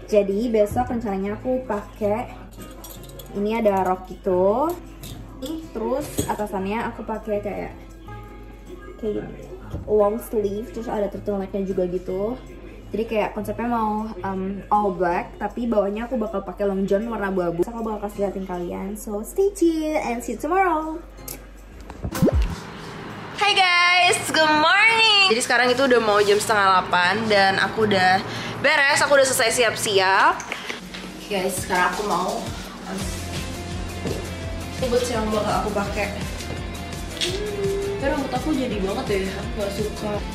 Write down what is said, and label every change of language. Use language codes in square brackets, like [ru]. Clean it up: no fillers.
[id] Jadi besok rencananya aku pakai ini ada rok gitu. Terus atasannya aku pakai kayak gitu. Long sleeve, terus ada turtlenecknya juga gitu. Jadi kayak konsepnya mau all black, tapi bawahnya aku bakal pakai long john warna abu-abu. Aku bakal kasih liatin kalian. [en] So stay tuned and see you tomorrow. Hi guys, good morning. [id] Jadi sekarang itu udah mau jam 7:30 dan aku udah beres, aku udah selesai siap-siap. Guys, sekarang aku mau ini buat siang bakal aku pakai. Karena rambut aku jadi banget ya, aku gak suka.